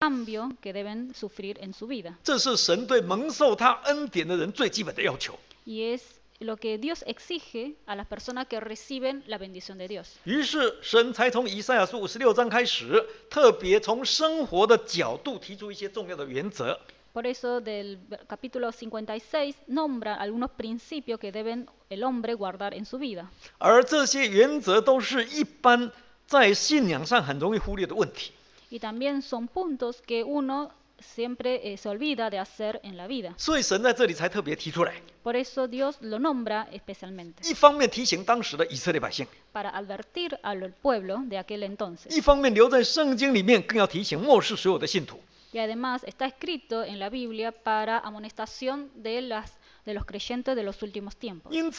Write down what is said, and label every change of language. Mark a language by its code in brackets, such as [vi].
[es] cambio que deben sufrir en su vida. [zh] 这是神对蒙受他恩典的人最基本的要求。 [es] Y es lo que Dios exige a las personas que reciben la bendición de Dios. [zh] 于是神才从以赛亚书56章开始, 特别从生活的角度提出一些重要的原则。 [es] Por eso del capítulo 56 nombra algunos principios que deben el hombre guardar en su vida. [zh] 而这些原则都是一般在信仰上很容易忽略的问题。 [es] Y también son puntos que uno siempre se olvida de hacer en la vida. [zh] 所以神在这里才特别提出来。 [es] Por eso Dios lo nombra especialmente. [zh] 一方面提醒当时的以色列百姓。 [es] Para advertir al pueblo de aquel entonces. [zh] 一方面留在圣经里面更要提醒末世所有的信徒。 [es] Y además está escrito en la Biblia para amonestación de las de los creyentes de los últimos tiempos.